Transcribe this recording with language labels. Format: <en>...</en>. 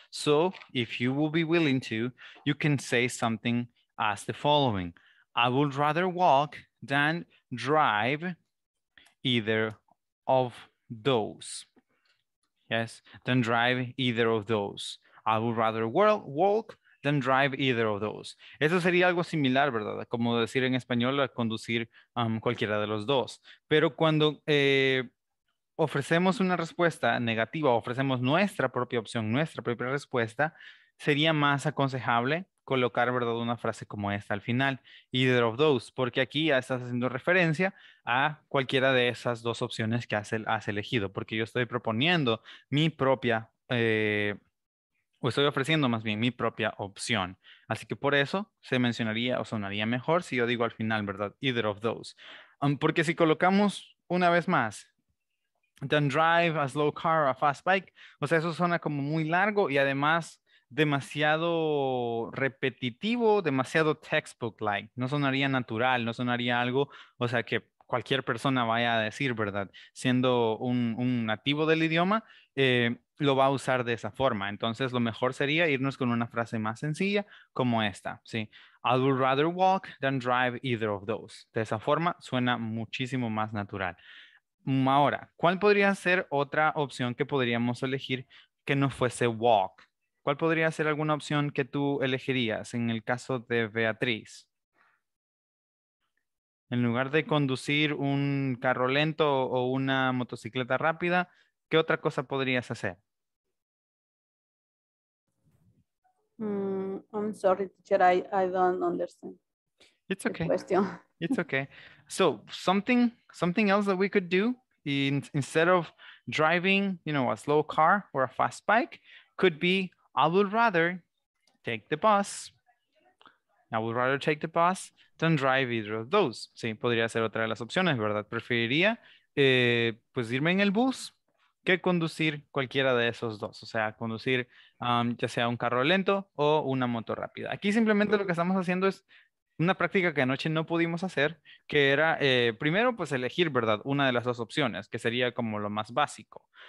<en>So if you will be willing to, you can say something as the following. I would rather walk than drive either of those. Yes, than drive either of those. I would rather walk than drive either of those.</en> <es>Eso sería algo similar, ¿verdad? Como decir en español, conducir cualquiera de los dos. Pero cuando ofrecemos una respuesta negativa, ofrecemos nuestra propia opción, nuestra propia respuesta, sería más aconsejable colocar, ¿verdad?, una frase como esta al final,</es> <en>either of those,</en> <es>porque aquí ya estás haciendo referencia a cualquiera de esas dos opciones que has elegido, porque yo estoy proponiendo mi propia o estoy ofreciendo más bien mi propia opción. Así que por eso se mencionaría o sonaría mejor si yo digo al final, ¿verdad?</es> <en>Either of those.</en> <es>Porque si colocamos una vez más,</es> <en>then drive a slow car, a fast bike,</en> <es>o sea, eso suena como muy largo y además demasiado repetitivo, demasiado textbook-like. No sonaría natural, no sonaría algo, o sea, que cualquier persona vaya a decir, ¿verdad? Siendo un nativo del idioma, lo va a usar de esa forma. Entonces, lo mejor sería irnos con una frase más sencilla como esta, ¿sí?</es> <en>I would rather walk than drive either of those.</en> <es>De esa forma, suena muchísimo más natural. Ahora, ¿cuál podría ser otra opción que podríamos elegir que no fuese walk? ¿Cuál podría ser alguna opción que tú elegirías en el caso de Beatriz? En lugar de conducir un carro lento o una motocicleta rápida, ¿qué otra cosa podrías hacer?</es> <en>I'm sorry, teacher, I don't understand. It's okay. Question. It's okay. So something else that we could do instead of driving, you know, a slow car or a fast bike could be, I would rather take the bus. I would rather take the bus than drive either of those.</en> <es>Sí, podría ser otra de las opciones, ¿verdad? Preferiría pues irme en el bus que conducir cualquiera de esos dos. O sea, conducir ya sea un carro lento o una moto rápida. Aquí simplemente lo que estamos haciendo es una práctica que anoche no pudimos hacer, que era primero pues elegir, ¿verdad?, una de las dos opciones, que sería como lo más básico.</es>